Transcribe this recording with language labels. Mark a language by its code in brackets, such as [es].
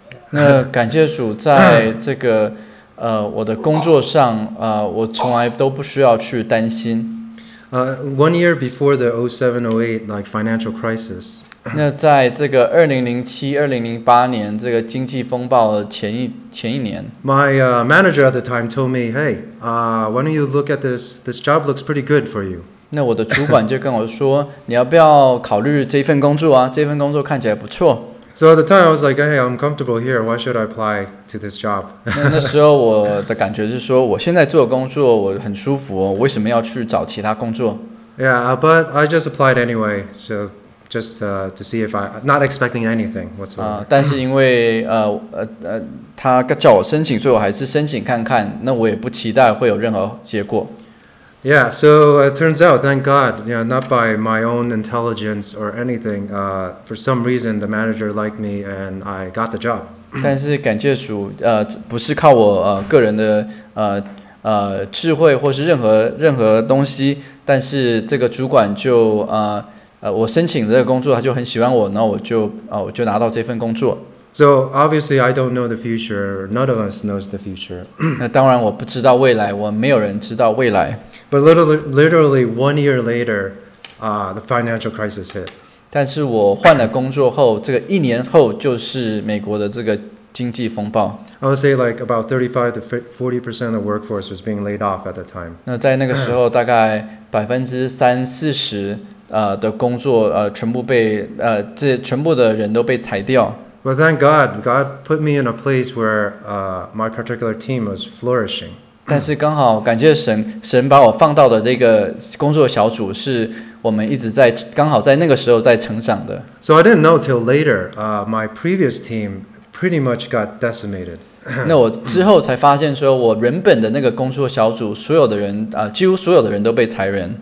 [zh] 那感谢主，在这个我的工作上，我从来都不需要去担心。 [en] One year before the 2007-08 like financial crisis. [zh] 那在这个2007-2008年这个经济风暴的前一年 [en] ，My manager at the time told me, "Hey, why don't you look at this? This job looks pretty good for you." [zh] 那我的主管就跟我说，你要不要考虑这份工作啊？这份工作看起来不错。 [en] So at the time I was like, "Hey, I'm comfortable here. Why should I apply to this job?" [zh] 那时候我的感觉是说，我现在做的工作我很舒服哦，为什么要去找其他工作 [en] ？Yeah, but I just applied anyway, so. Just to see if I not expecting anything whatsoever. [zh] 但是因为他叫我申请，所以我还是申请看看。那我也不期待会有任何结果。 [en] Yeah, so it turns out, thank God, yeah, not by my own intelligence or anything. For some reason, the manager liked me, and I got the job. [zh] 但是感谢主，不是靠我个人的智慧或是任何东西，但是这个主管就我申请这个工作，他就很喜欢我，然后我就拿到这份工作。 [en] So obviously I don't know the future. None of us knows the future. [zh] 那当然我不知道未来，我没有人知道未来。 [en] But literally one year later, the financial crisis hit. [zh] 但是我换了工作后，这个一年后就是美国的这个经济风暴。 [en] I would say like about 35-40% of the workforce was being laid off at the time. [zh] 那在那个时候，大概30-40%。的工作全部被这全部的人都被裁掉。 [en] But thank God, God put me in a place where my particular team was flourishing. [zh] 但是刚好感谢神，神把我放到的这个工作小组是我们一直在刚好在那个时候在成长的。 [en] So I didn't know till later, my previous team pretty much got decimated. [zh] 那我之后才发现，说我原本的那个工作小组，所有的人几乎所有的人都被裁员。